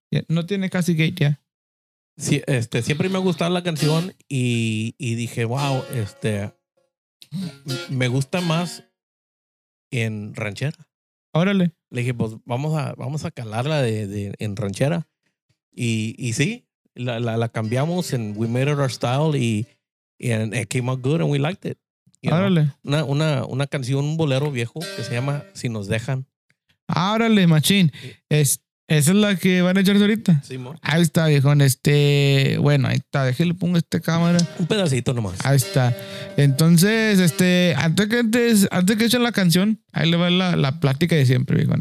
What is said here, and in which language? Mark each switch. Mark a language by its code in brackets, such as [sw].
[es] Yeah, no tiene casi gate ya. Sí, siempre me ha gustado la canción y dije, wow, me gusta más en ranchera. Órale. Le dije, pues vamos a calarla de en ranchera. Y sí, la cambiamos en [en] We Made It Our Style and it came out good and we liked it. [es] Órale. Una canción, un bolero viejo que se llama Si Nos Dejan. Órale, machín. Esa es la que van a echarse ahorita. Sí, mon. Ahí está, viejón. Bueno, ahí está. Déjale, pongo esta cámara. Un pedacito nomás. Ahí está. Entonces, antes que echen la canción, ahí le va la plática de siempre, viejón.